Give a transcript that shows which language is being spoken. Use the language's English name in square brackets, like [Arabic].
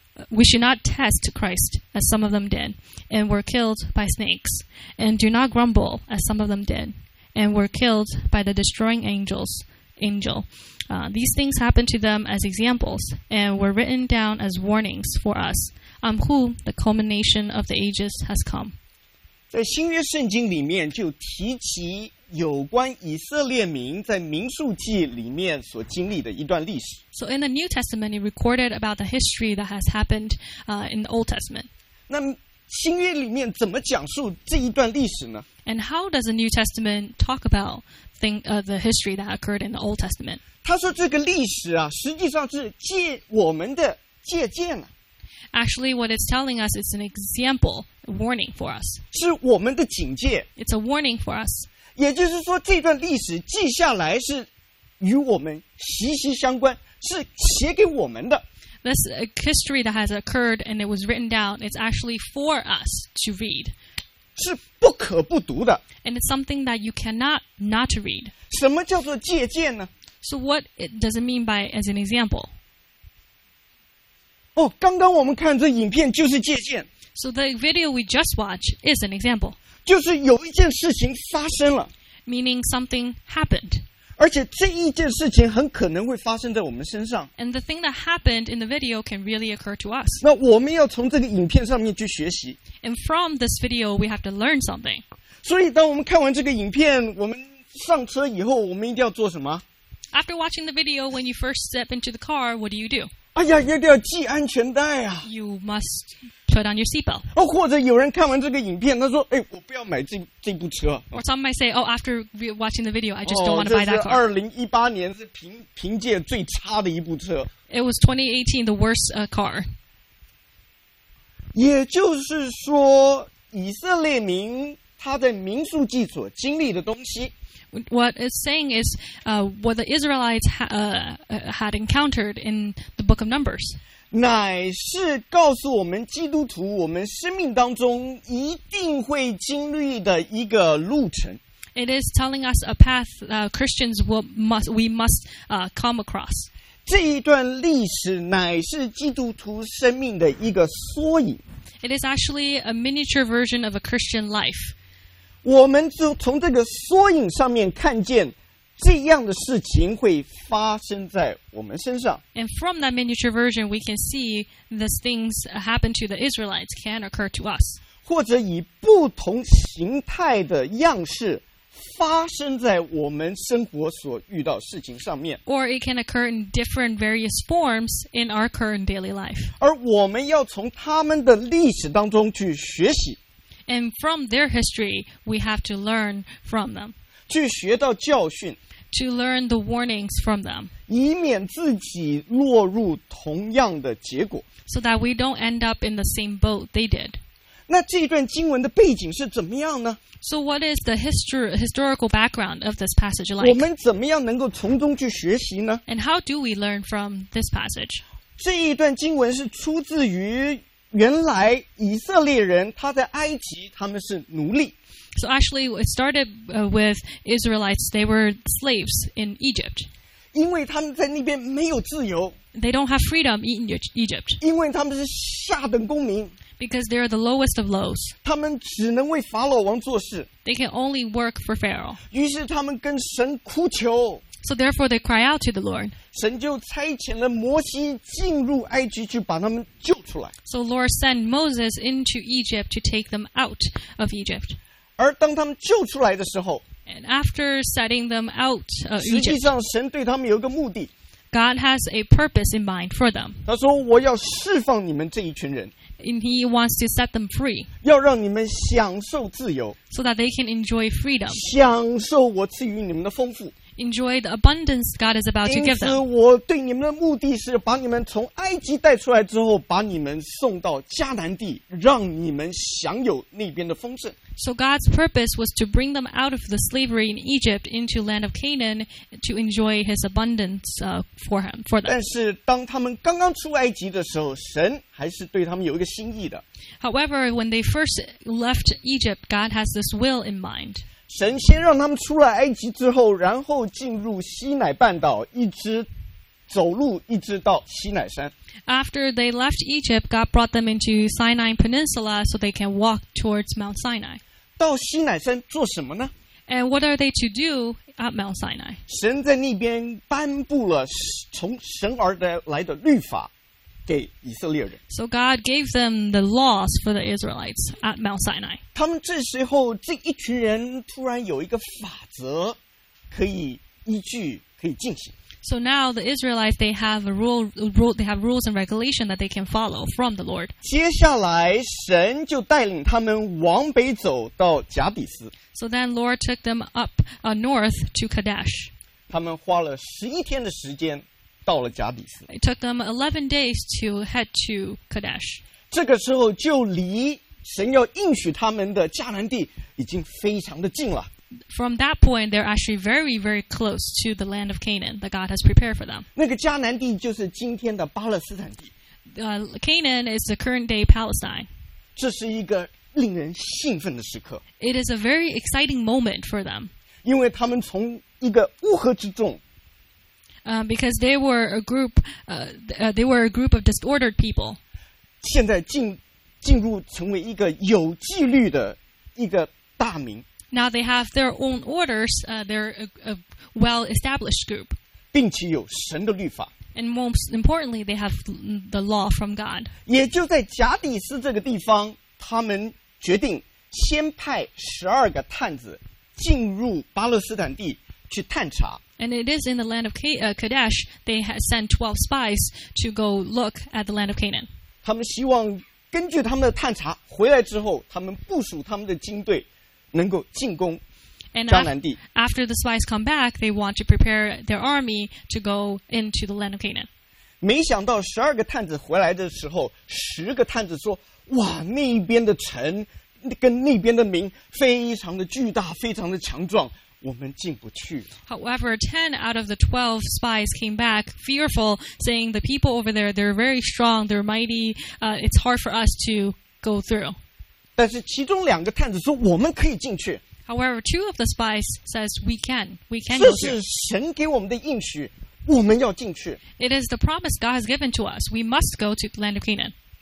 [English] We should not test Christ, as some of them did, and were killed by snakes. And do not grumble, as some of them did, and were killed by the destroying angel. These things happened to them as examples, and were written down as warnings for us, on whom the culmination of the ages has come. [Chinese] 在新约圣经里面就提及有关以色列民在民数记里面所经历的一段历史。 [English] So in the New Testament, it recorded about the history that has happened, in the Old Testament. [Chinese] 那新约里面怎么讲述这一段历史呢？ [English] And how does the New Testament talk about the history that occurred in the Old Testament? [Chinese] 他说这个历史啊，实际上是借我们的借鉴啊。 [English] Actually, what it's telling us is an example, a warning for us. [Chinese] 是我们的警戒。 [English] It's a warning for us. [Chinese] 也就是说，这段历史记下来是与我们息息相关，是写给我们的。 [English] This history that has occurred and it was written down, it's actually for us to read. [Chinese] 是不可不读的。 [English] And it's something that you cannot not to read. [Chinese] 什么叫做借鉴呢？ [English] So what does it mean by as an example? [Chinese] 哦，刚刚我们看这影片就是借鉴。 [English] So the video we just watched is an example. [Chinese] 就是有一件事情发生了。 [English] Meaning something happened. [Chinese] 而且这一件事情很可能会发生在我们身上。 [English] And the thing that happened in the video can really occur to us. [Chinese] 那我们要从这个影片上面去学习。 [English] And from this video, we have to learn something. [Chinese] 所以当我们看完这个影片，我们上车以后，我们一定要做什么？ [English] After watching the video, when you first step into the car, what do you do? [Chinese] 哎呀，一定要系安全带啊 [English] ！You must put on your seatbelt. [Chinese] 哦，或者有人看完这个影片，他说：“哎，我不要买这部车。” [English] Or some might say, "Oh, after watching the video, I just don't want to buy that car." [Chinese] 哦，这是2018年是凭借最差的一部车。 [English] It was 2018, the worst car. [Chinese] 也就是说，以色列民他在民数记所经历的东西。 [English] What it's saying is what the Israelites had encountered in the book of Numbers. [Chinese] 乃是告诉我们基督徒我们生命当中一定会经历的一个路程。 [English] It is telling us a path Christians must come across. [Chinese] 这一段历史乃是基督徒生命的一个缩影。 [English] It is actually a miniature version of a Christian life. [Chinese] 我们就从这个缩影上面看见这样的事情会发生在我们身上。 [English] And from that miniature version, we can see these things happen to the Israelites can occur to us. [Chinese] 或者以不同形态的样式发生在我们生活所遇到事情上面。 [English] Or it can occur in different various forms in our current daily life. [Chinese] 而我们要从他们的历史当中去学习。 [English] And from their history, we have to learn from them. [Chinese] 去学到教训。 [English] To learn the warnings from them. [Chinese] 以免自己落入同样的结果。 [English] So that we don't end up in the same boat they did. [Chinese] 那这段经文的背景是怎么样呢？ [English] So what is the historical background of this passage like? [Chinese] 我们怎么样能够从中去学习呢？ [English] And how do we learn from this passage? [Chinese] 这一段经文是出自于原来以色列人他在埃及他们是奴隶。 [English] So actually it started with Israelites, they were slaves in Egypt. [Chinese] 因为他们在那边没有自由。 [English] They don't have freedom in Egypt. [Chinese] 因为他们是下等公民。 [English] Because they are the lowest of lows. [Chinese] 他们只能为法老王做事。 [English] They can only work for Pharaoh. [Chinese] 于是他们跟神哭求。 [English] So therefore they cry out to the Lord. [Chinese] 神就差遣了摩西进入埃及去把他们救出来。 [English] So Lord sent Moses into Egypt to take them out of Egypt. [Chinese] 而当他们救出来的时候。 [English] And after setting them out of Egypt. [Chinese] 实际上神对他们有一个目的。 [English] God has a purpose in mind for them. [Chinese] 他说我要释放你们这一群人。 [English] And he wants to set them free. [Chinese] 要让你们享受自由。 [English] So that they can enjoy freedom. [Chinese] 享受我赐予你们的丰富。 [English] Enjoy the abundance God is about to give them. [Chinese] 因此我对你们的目的是把你们从埃及带出来之后把你们送到迦南地让你们享有那边的丰盛。 [English] So God's purpose was to bring them out of the slavery in Egypt into land of Canaan to enjoy his abundance for them. [Chinese] 但是当他们刚刚出埃及的时候神还是对他们有一个心意的。 [English] However, when they first left Egypt, God has this will in mind. [Chinese] 神先让他们出了埃及之后然后进入西乃半岛一直走路一直到西乃山。 [English] After they left Egypt, God brought them into Sinai Peninsula so they can walk towards Mount Sinai. [Chinese] 到西乃山做什么呢？ [English] And what are they to do at Mount Sinai? [Chinese] 神在那边颁布了从神而来的律法给以色列人。 [English] So God gave them the laws for the Israelites at Mount Sinai. [Chinese] 他们这时候这一群人突然有一个法则可以依据可以进行。 [English] So now the Israelites, they have a rules and regulation that they can follow from the Lord. [Chinese] 接下来神就带领他们往北走到甲底斯。 [English] So then Lord took them up north to Kadesh. [Chinese] 他们花了11天的时间到了甲底斯。 [English] It took them 11 days to head to Kadesh. [Chinese] 这个时候就离神要应许他们的迦南地已经非常的近了。 [English] From that point, they're actually very, very close to the land of Canaan that God has prepared for them. [Chinese] 那个迦南地就是今天的巴勒斯坦地。 [English] Canaan is the current day Palestine. [Chinese] 这是一个令人兴奋的时刻。 [English] It is a very exciting moment for them. [Chinese] 因为他们从一个乌合之众 [English] Because they were a group, of disordered people. [Chinese] 现在进入成为一个有纪律的一个大民。 [English] Now they have their own orders. They're a well-established group. [Chinese] 并且有神的律法。 [English] And most importantly, they have the law from God. [Chinese] 也就在甲底斯这个地方，他们决定先派12个探子进入巴勒斯坦地去探查。 [English] And it is in the land of Kadesh, they had sent 12 spies to go look at the land of Canaan. [Chinese] 他们希望根据他们的探查回来之后他们部署他们的精队能够进攻迦南地。 [English] And after the spies come back, they want to prepare their army to go into the land of Canaan. [Chinese] 没想到12个探子回来的时候10个探子说哇那边的城跟那边的民非常的巨大非常的强壮。我们进不去。 [English] However, 10 out of the 12 spies came back fearful, saying the people over there, they're very strong, they're mighty, it's hard for us to go through. [Chinese] 但是其中两个探子说我们可以进去。 [English] However, 2 of the spies says we can go through. [Chinese] 这是神给我们的应许我们要进去。 [English] It is the promise God has given to us, we must go to the land of Canaan.